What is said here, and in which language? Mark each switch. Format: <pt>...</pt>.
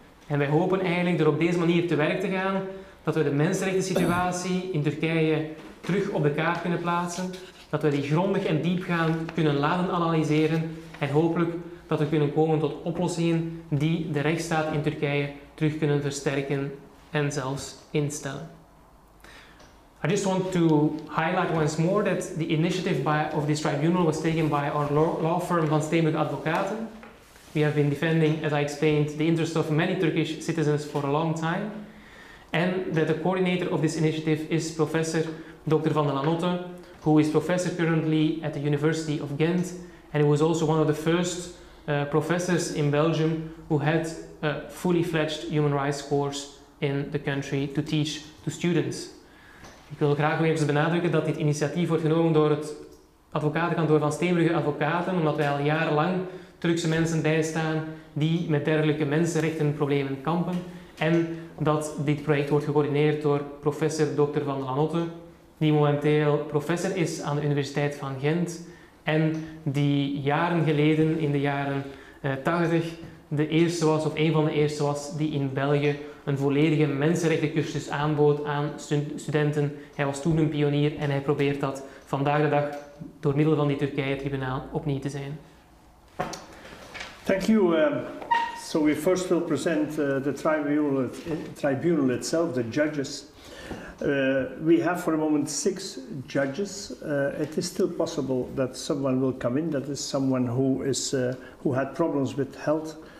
<nl>En wij hopen eigenlijk door op deze manier te werk te gaan dat we de mensenrechten situatie in Turkije terug op de kaart kunnen plaatsen, dat we die grondig en diepgaand kunnen laten analyseren en hopelijk dat we kunnen komen tot oplossingen die de rechtsstaat in Turkije terug kunnen versterken en zelfs instellen.</nl> <en>I just want to highlight once more that the initiative of this tribunal was taken by our law firm Van Steenbrugge Advocaten. We have been defending, as I explained, the interests of many Turkish citizens for a long time. And that the coordinator of this initiative is Professor Dr. Vande Lanotte, who is professor currently at the University of Ghent, and who was also one of the first professors in Belgium who had a fully fledged human rights course in the country to teach to students.</en> <nl>Ik wil graag nog even benadrukken dat dit initiatief wordt genomen door het advocatenkantoor van Steenbrugge Advocaten, omdat wij al jarenlang Turkse mensen bijstaan die met dergelijke mensenrechtenproblemen kampen. En dat dit project wordt gecoördineerd door professor Dr. Vande Lanotte, die momenteel professor is aan de Universiteit van Gent en die jaren geleden, in de jaren 80, de eerste was, of een van de eerste was, die in België een volledige mensenrechtencursus aanbood aan studenten. Hij was toen een pionier en hij probeert dat vandaag de dag door middel van die Turkije-tribunaal opnieuw te zijn.</nl> <en>Thank you. So we first will present the tribunal itself, the judges. We have for a moment six judges. It is still possible that someone will come in. That is someone who had problems with health.</en>